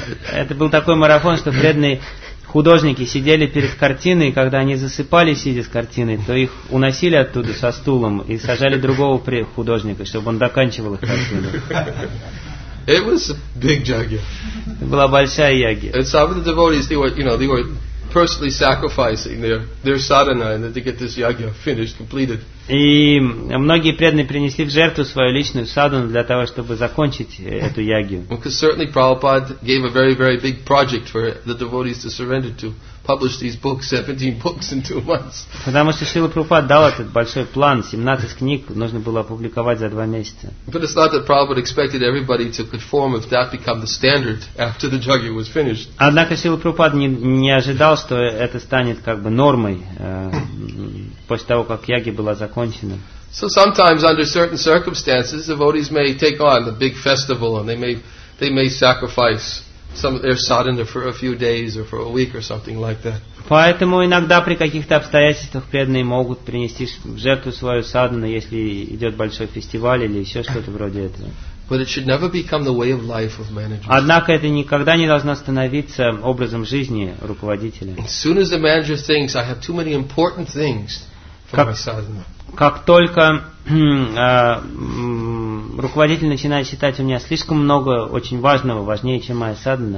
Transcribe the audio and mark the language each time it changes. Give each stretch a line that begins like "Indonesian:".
Russian: Это был такой марафон, что преданные художники сидели перед картиной, и когда они засыпали, сидя с картиной, то их уносили оттуда со стулом и сажали другого художника, чтобы он доканчивал их картину.
English: It was a big yagya.
Russian: Это была большая ягья.
English: And some of the devotees, they were personally sacrificing their sadhana in order to get this yagya finished, completed.
Russian: И многие преданные принесли в жертву свою личную садхану для того, чтобы закончить эту ягью.
English: Because certainly Prabhupada gave a very, very big project for the devotees to surrender to. Published these books, 17 books in 2 months.
Russian: Потому что Шрила Прабхупада дал этот большой план, 17 книг нужно было опубликовать за 2 месяца.
English: But it's not that Prabhupada expected everybody to conform if that become the standard after the yagya was finished.
Russian: Однако Шрила Прабхупада не ожидал, что это станет как бы нормой после того, как ягья была закончена.
English: So sometimes under certain circumstances, devotees may take on the big festival and they may sacrifice some of their sadhana for a few days or for a week or something like that.
Russian: Поэтому иногда при каких-то обстоятельствах преданные могут принести в жертву свою садхану, если идет большой фестиваль или еще что-то вроде этого.
English: But it should never become the way of life of managers.
Russian: Однако это никогда не должно становиться образом жизни руководителя.
English: As soon as the manager thinks I have too many important things for my sadhana.
Russian: Как только руководитель начинает считать, у меня слишком много очень важного, важнее, чем моя садхана.